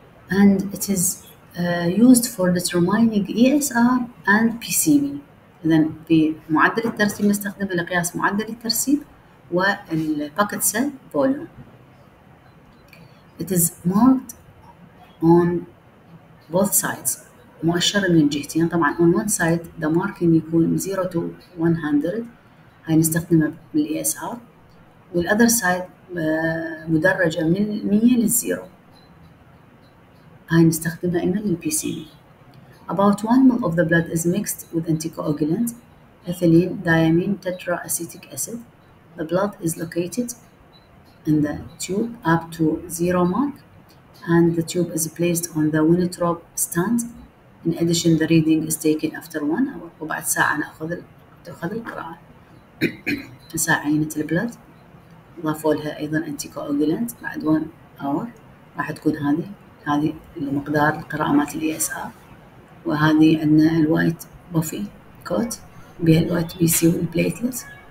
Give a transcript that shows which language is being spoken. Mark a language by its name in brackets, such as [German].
[English] And it is used for determining ESR and PCB. [Arabic] إذن في معدل الترسيب نستخدم لقياس معدل الترسيب والباكت سيل فوليوم. [English] It is marked on both sides. [Arabic] مؤشر من جهتين. طبعا [English] on one side the marking [Arabic] يكون [English] 0 to 100. [Arabic] هاي نستخدمها بالاي اس ار. والاذر سايد مدرجة من 100 للزيرو. هاي نستخدمها ايضا للبي سي بي. [English] About 1 ml of the blood is mixed with anticoagulant, ethylene, diamine, tetraacetic acid. The blood is located in the tube up to zero mark, and the tube is placed on the Wintrobe stand. In addition, the reading is taken after 1 hour. [Arabic] وبعد ساعة تأخذ القراءة. ساعة عينة البلد ضافوا لها أيضا anticoagulant بعد 1 hour. راح تكون هذه المقدار القراءة مات الـ ESR. وهذه عندنا الوايت بوفي كوت بها الوايت بي سي والبليتلت.